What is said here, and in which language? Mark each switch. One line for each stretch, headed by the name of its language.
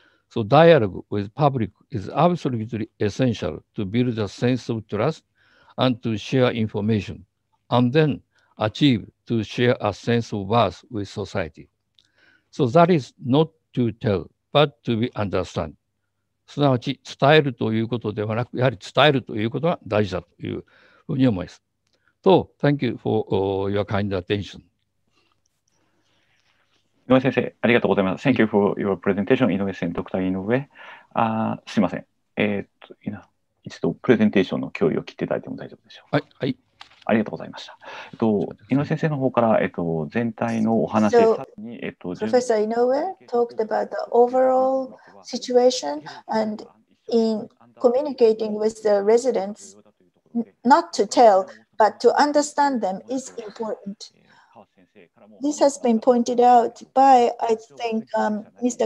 English: So dialogue with public is absolutely essential to build a sense of trust and to share information, and then achieve to share a sense of worth with society. So that is not to tell, but to be understood.
Japanese: すなわち伝えるということではなく、やはり伝えるということが大事だというふうに思います。
English: と、Thank you for your kind attention.
Japanese: 井上先生、ありがとうございます。
English: Thank you for your presentation,
Japanese: 井上先生、ドクター井上。すみません。一度プレゼンテーションの共有を切っていただいても大丈夫でしょうか。はい、ありがとうございました。井上先生の方から、全体のお話
English: を、Professor Inoue talked about the overall situation and in communicating with the residents, not to tell, but to understand them is important. This has been pointed out by, I think, Mr.